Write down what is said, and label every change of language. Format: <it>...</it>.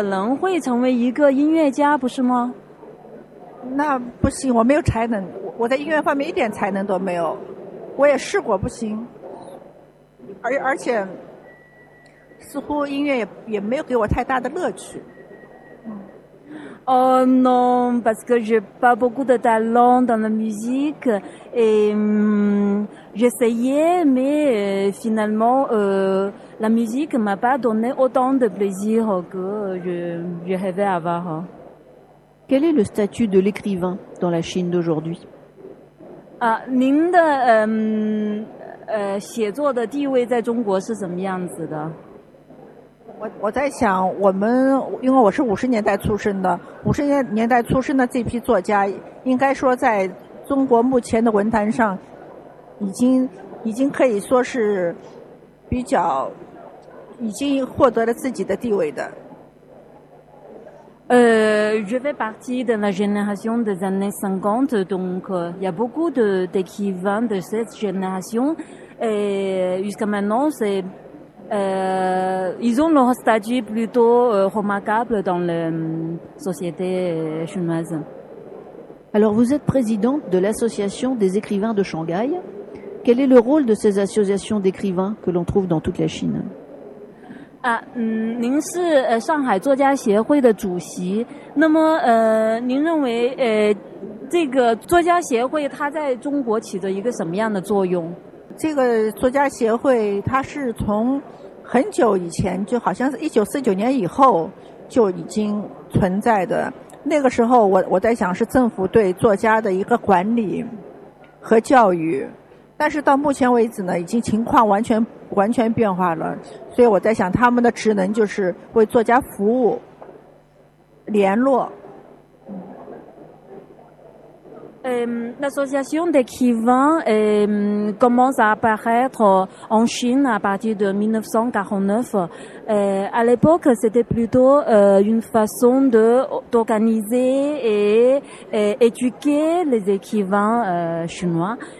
<zh>其实好像您好像也可能会成为一个音乐家，不是吗？那不行，我没有才能。我在音乐方面一点才能都没有，我也试过不行，而且似乎音乐也没有给我太大的乐趣。</zh> <fr>Oh non, parce que j'ai pas beaucoup de talent dans la musique et j'essayais, mais finalement la musique m'a pas donné autant de plaisir que je rêvais avoir. Quel est le statut de l'écrivain dans la Chine d'aujourd'hui?</fr> <zh>Ah, 您的写作的地位在中国是怎么样子的？我在想，我们因为我是50年代出生的，50年代出生的这批作家，应该说在中国目前的文坛上，已经可以说是比较已经获得了自己的地位的。</zh> <fr>Je fais partie de la génération des années 50, donc il y a beaucoup d'écrivains de cette génération et jusqu'à maintenant, ils ont leur statut plutôt remarquable dans la société chinoise. Alors, vous êtes présidente de l'Association des écrivains de Shanghai. Quel est le rôle de ces associations d'écrivains que l'on trouve dans toute la Chine ?</fr> <zh>Ah, 您是上海作家协会的主席，那么您认为这个作家协会它在中国起着一个什么样的作用？这个作家协会它是从很久以前，就好像是1949年以后就已经存在的。那个时候我在想是政府对作家的一个管理和教育。但是到目前为止呢，已经情况完全变化了，所以我在想，他们的职能就是为作家服务、联络。</zh> <fr>L'association des écrivains commence à apparaître en Chine à partir de 1949. À l'époque, c'était plutôt une façon d'organiser et éduquer les écrivains chinois.</fr>